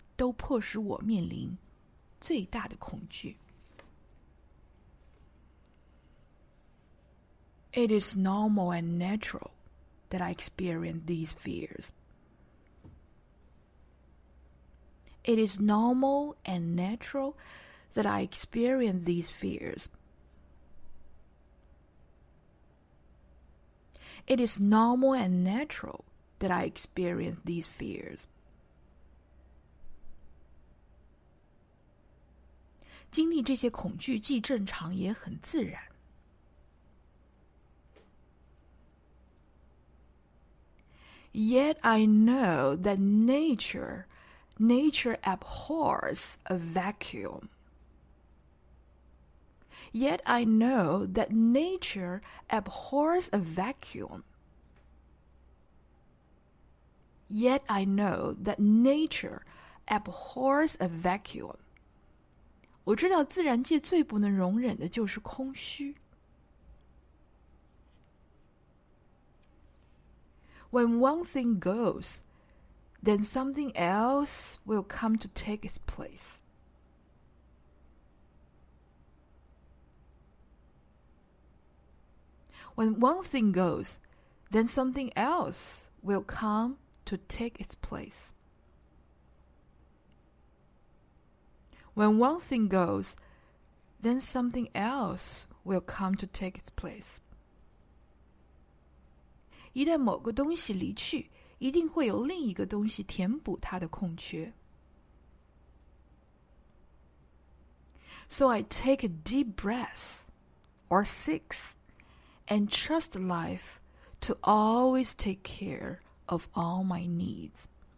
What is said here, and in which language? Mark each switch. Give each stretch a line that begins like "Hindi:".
Chinese: 都迫使我面临最大的恐惧。
English: It is normal and natural that I experience these fears. It is normal and natural that I experience these fears. It is normal and natural that I experience these fears.
Chinese: 经历这些恐惧既正常也很自然。
English: Yet I know that nature abhors a vacuum. Yet I know that nature abhors a vacuum. Yet I know that nature abhors a vacuum.
Chinese: 我知道自然界最不能容忍的就是空虚。
English: When one thing goes, then something else will come to take its place. When one thing goes, then something else will come to take its place. When one thing goes, then something else will come to take its place.
Chinese: 一旦某个东西离去，一定会有另一个东西填补它的空缺。
English: So I take a deep breath, or six, and trust life to always take care of all my needs.